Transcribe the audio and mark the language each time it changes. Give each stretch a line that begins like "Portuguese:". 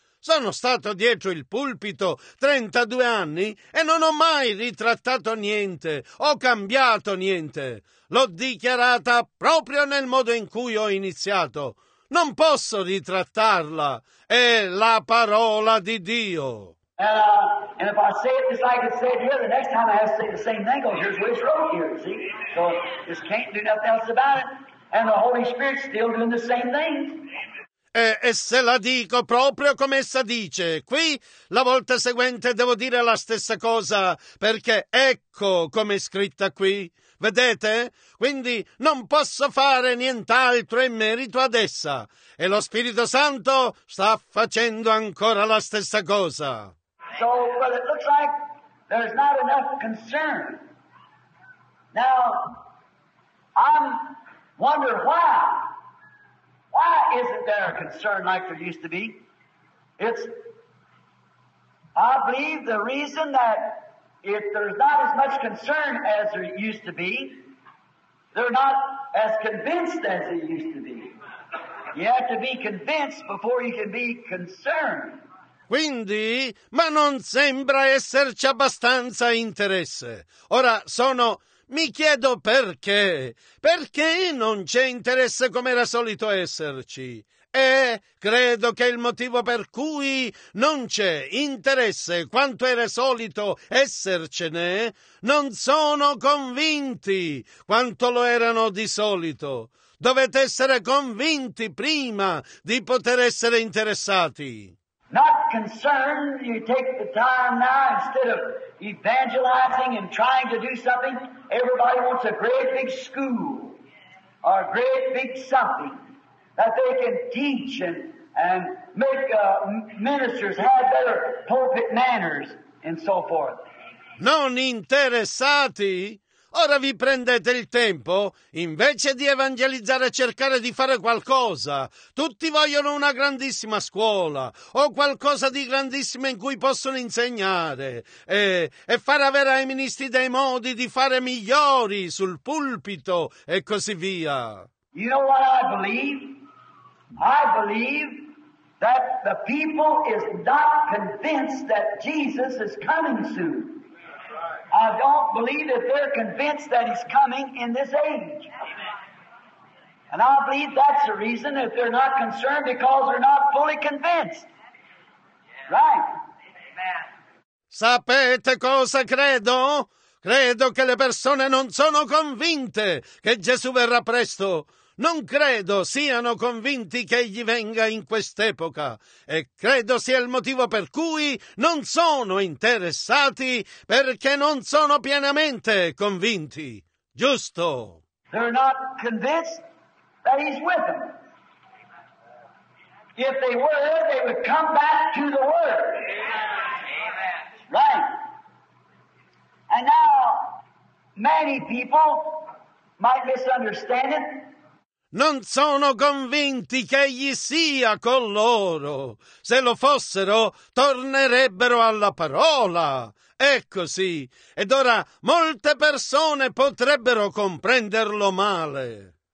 Italian: Sono stato dietro il pulpito 32 anni e non ho mai ritrattato niente, ho cambiato niente. L'ho dichiarata proprio nel modo in cui ho iniziato. Non posso ritrattarla, è la parola di Dio.
English: And if I say it just like it said here, the next time I have to say the same thing, oh, here's what it's wrote here, see? So just can't do nothing else about it. And the Holy Spirit's still doing the same thing.
Italian: E se la dico proprio come essa dice, qui la volta seguente devo dire la stessa cosa, perché ecco come è scritta qui, vedete? Quindi non posso fare nient'altro in merito ad essa, e lo Spirito Santo sta facendo ancora la stessa cosa.
English: So, well, it looks like there's not enough concern. Now, I'm wondering why. Why isn't there a concern like there used to be? I believe the reason that if there's not as much concern as there used to be, they're not as convinced as they used to be. You have to be convinced before you can be concerned.
Italian: Quindi, ma non sembra esserci abbastanza interesse. Ora sono... Mi chiedo perché. Perché non c'è interesse come era solito esserci? E credo che il motivo per cui non c'è interesse quanto era solito essercene, non sono convinti quanto lo erano di solito. Dovete essere convinti prima di poter essere interessati.
English: Not concerned, you take the time now instead of evangelizing and trying to do something. Everybody wants a great big school or a great big something that they can teach and make ministers have better pulpit manners and so forth.
Italian: Non interessati? Ora vi prendete il tempo, invece di evangelizzare e cercare di fare qualcosa. Tutti vogliono una grandissima scuola o qualcosa di grandissimo in cui possono insegnare e far avere ai ministri dei modi di fare migliori sul pulpito e così via.
English: You know what I believe? I believe that the people is not convinced that Jesus is coming soon. I don't believe that they're convinced that he's coming in this age. And I believe that's the reason that they're not concerned, because they're not fully convinced. Right?
Italian: Sapete cosa credo? Credo che le persone non sono convinte che Gesù verrà presto. Non credo siano convinti che egli venga in quest'epoca, e credo sia il motivo per cui non sono interessati, perché non sono pienamente convinti. Giusto?
English: They're not convinced that he's with them. If they were, they would come back to the word. Amen. Right. And now, Many people might misunderstand it.
Italian: Non sono convinti che egli sia con loro. Se lo fossero, tornerebbero alla parola. È così. Ed ora molte persone potrebbero comprenderlo male.